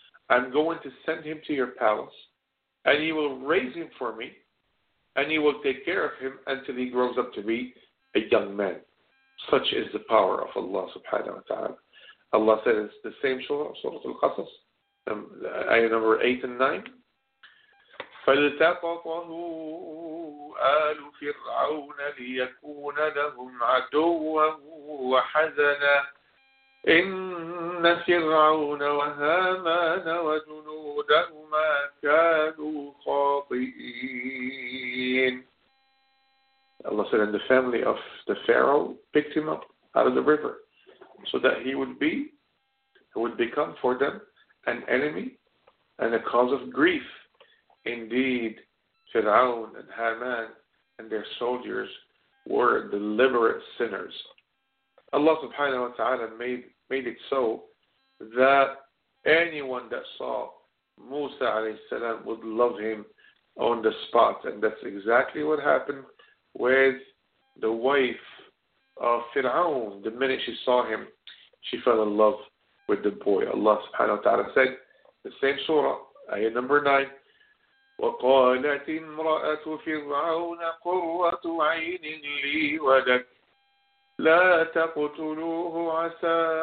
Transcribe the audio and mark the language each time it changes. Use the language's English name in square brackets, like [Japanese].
[English] I'm going to send him to your palace and you will raise him for me and you will take care of him until he grows up to be a young man. Such is the power of Allah subhanahu wa ta'ala. Allah said it's the same Surah Al-Qasas, ayah number 8 and 9. [Arabic] فالتقطه آل فرعون ليكون لهم عدوا وحزنا إن فرعون وهامان وجنودهما كانوا خاطئين. [English] Allah said, and the family of the Pharaoh picked him up out of the river so that he would become for them an enemy and a cause of grief. Indeed, Fir'aun and Haman and their soldiers were deliberate sinners. Allah subhanahu wa ta'ala made it so that anyone that saw Musa alayhi salam would love him on the spot. And that's exactly what happened with the wife of Fir'aun. The minute she saw him, she fell in love with the boy. Allah subhanahu wa ta'ala said, the same surah, ayah number 9, [Arabic] وقالت امرأة فرعون قرة عين لي ولك لا تقتلوه عسى